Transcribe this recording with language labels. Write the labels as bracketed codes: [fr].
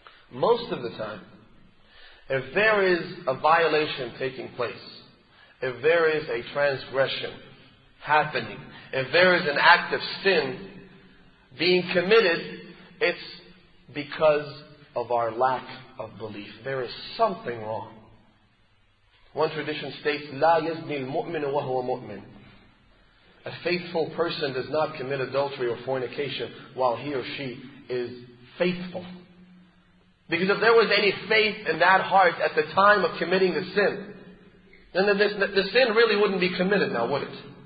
[en] Most of the time, if there is a violation taking place, if there is a transgression happening, if there is an act of sin being committed, it's because of our lack of belief. There is something wrong. One tradition states, [ar] لا يزني المؤمن وهو مؤمن. [en] A faithful person does not commit adultery or fornication while he or she is faithful. Because if there was any faith in that heart at the time of committing the sin, then the sin really wouldn't be committed now, would it?